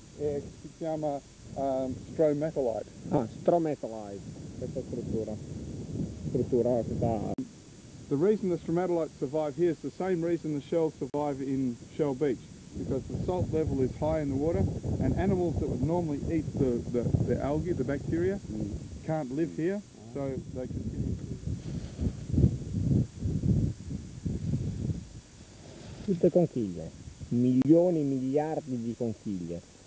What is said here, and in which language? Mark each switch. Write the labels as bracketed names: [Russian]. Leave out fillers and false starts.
[Italian] E si chiama stromatolite. Ah, stromatolite. Questa struttura. Struttura, questa. [English] The reason the stromatolites survive here is the same reason the shells survive in Shell Beach. Because the salt level is high in the water and animals that would normally eat the algae, the bacteria, can't live here, so they continue to. [Italian] Tutte conchiglie, milioni e miliardi di conchiglie.